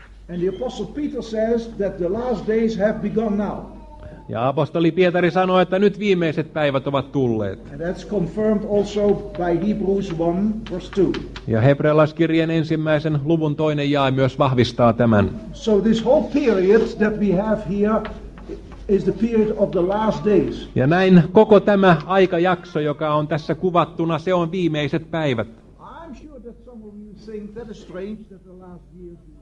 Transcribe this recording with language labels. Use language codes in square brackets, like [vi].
[en] And the apostle Peter says that the last days have begun now. [fi] Ja apostoli Pietari sanoo, että nyt viimeiset päivät ovat tulleet. [en] And that's confirmed also by Hebrews 1, verse 2. [fi] Ja hebrealaiskirjeen ensimmäisen luvun toinen jae myös vahvistaa tämän. [en] So this whole period that we have here is the period of the last days. [fi] Ja näin koko tämä aikajakso, joka on tässä kuvattuna, se on viimeiset päivät. [en] I'm sure that some of you think that is strange that the last years.